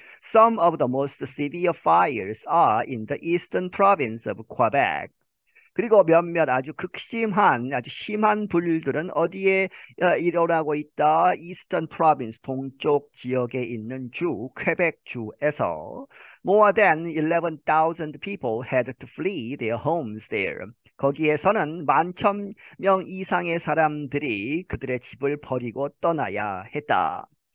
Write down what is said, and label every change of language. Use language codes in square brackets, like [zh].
[en] Some of the most severe fires are in the eastern province of Quebec. [ko] 그리고 몇몇 아주 극심한, 아주 심한 불들은 어디에 일어나고 있다? [en] Eastern Province, [ko] 동쪽 지역에 있는 주, 퀘벡주에서. [en] More than 11,000 people had to flee their homes there. [ko] 거기에서는 11,000명 이상의 사람들이 그들의 집을 버리고 떠나야 했다.